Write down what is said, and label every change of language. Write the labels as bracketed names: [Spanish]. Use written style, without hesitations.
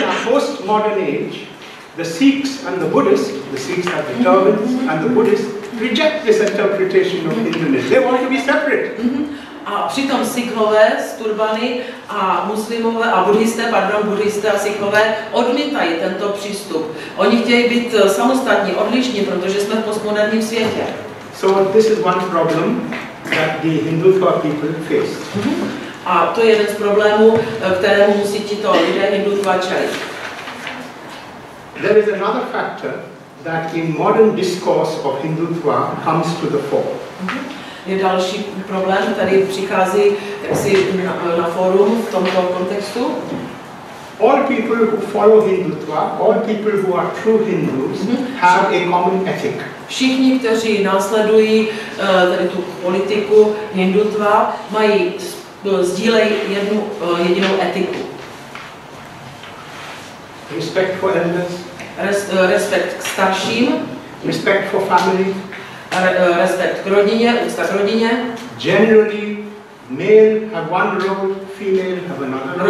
[English] Postmodern age, the Sikhs and the Sikhs are the Germans and the Buddhists reject this interpretation of Hinduism. They want to be separate. [Czech] A přitom Sikhové z turbany a muslimové a buddhisté a Sikhové odmítají tento přístup. Oni chtějí být samostatní, odlišní, protože jsme v postmoderním světě. [English] So this is one problem that the Hindu people face. [Czech] A to je jeden z problémů, kterému musí tito lidé Hindutva čelit. [English] There is another factor that in modern discourse of Hindutva comes to the fore. [Czech] Je další problém, který přichází jaksi na fórum v tomto kontextu. [English] All people who follow Hindutva, all people who are true Hindus, have a common ethic. [Czech] Všichni, kteří následují tady tu politiku Hindutva, mají sdílejí jednu jedinou etiku. [English] Respect for elders. [Czech] Respekt k starším. [English] Respect for family. [Czech] Respekt k rodině, úcta k rodině. [English] Generally, male have one role, female have another role.